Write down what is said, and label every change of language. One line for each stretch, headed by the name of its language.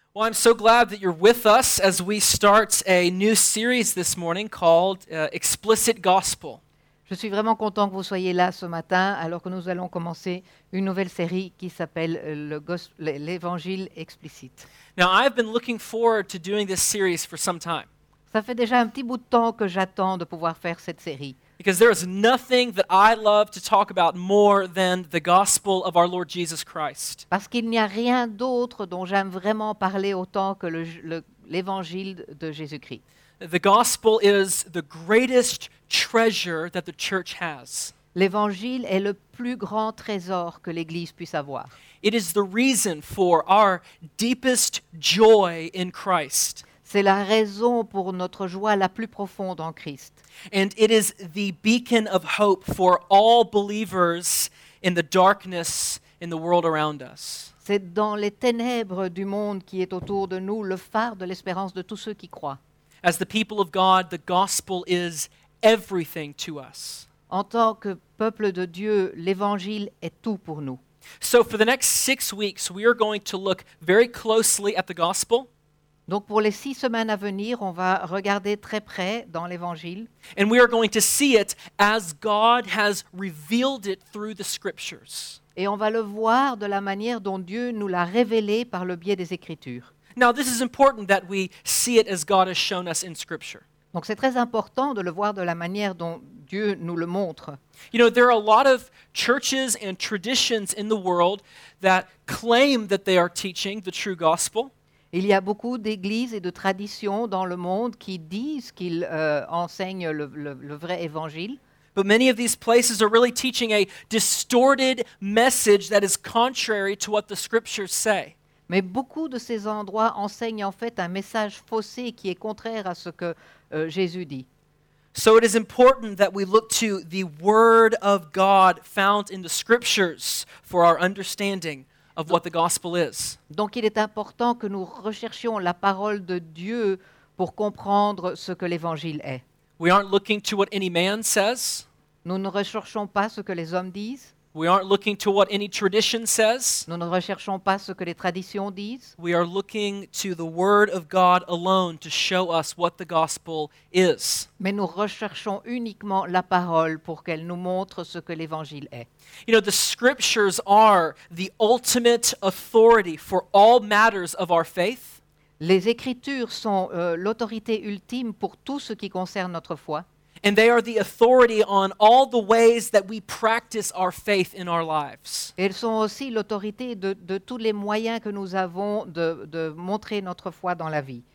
English: Well, I'm so glad that you're with us as we start a new series this morning called Explicit Gospel.
French: Je suis vraiment content que vous soyez là ce matin alors que nous allons commencer une nouvelle série qui s'appelle l'Évangile explicite.
English: Now, I've been looking forward to doing this series for some time.
French: Ça fait déjà un petit bout de temps que j'attends de pouvoir faire cette série.
English: Because there is nothing that I love to talk about more than the gospel of our Lord Jesus Christ.
French: Parce qu'il n'y a rien d'autre dont j'aime vraiment parler autant que l'évangile de Jésus-Christ.
English: The gospel is the greatest treasure that the church has.
French: L'évangile est le plus grand trésor que l'église puisse avoir.
English: It is the reason for our deepest joy in Christ.
French: C'est la raison pour notre joie la plus profonde en Christ.
English: And it is the beacon of hope for all believers in the darkness in the world around us.
French: C'est dans les ténèbres du monde qui est autour de nous le phare de l'espérance de tous ceux qui croient.
English: As the people of God, the gospel is everything to us.
French: En tant que peuple de Dieu, l'évangile est tout pour nous.
English: So for the next 6 weeks, we are going to look very closely at the gospel.
French: Donc pour les 6 semaines à venir, on va regarder très près dans l'Évangile.
English: And we are going to see it as God has revealed it through the Scriptures.
French: Et on va le voir de la manière dont Dieu nous l'a révélé par le biais des Écritures.
English: Now this is important that we see it as God has shown us in Scripture.
French: Donc c'est très important de le voir de la manière dont Dieu nous le montre.
English: You know, there are a lot of churches and traditions in the world that claim that they are teaching the true gospel.
French: Il y a beaucoup d'églises et de traditions dans le monde qui disent qu'ils enseignent le vrai évangile.
English: But many of these places are really teaching a distorted message that is contrary to what the scriptures say.
French: Mais beaucoup de ces endroits enseignent en fait un message faussé qui est contraire à ce que Jésus dit.
English: So it is important that we look to the word of God found in the scriptures for our understanding. Of what the gospel is.
French: Donc il est important que nous recherchions la parole de Dieu pour comprendre ce que l'évangile est.
English: We aren't looking to what any man says.
French: Nous ne recherchons pas ce que les hommes disent.
English: We aren't looking to what any tradition says.
French: Nous ne recherchons pas ce que les traditions disent.
English: We are looking to the word of God alone to show us what the gospel is.
French: Mais nous recherchons uniquement la parole pour qu'elle nous montre ce que l'évangile est.
English: You know, the scriptures are the ultimate authority for all matters of our faith.
French: Les écritures sont l'autorité ultime pour tout ce qui concerne notre foi.
English: And they are the authority on all the ways that we practice our faith in our lives.
French: Elles sont aussi l'autorité de tous les moyens que nous avons de montrer notre foi dans la vie.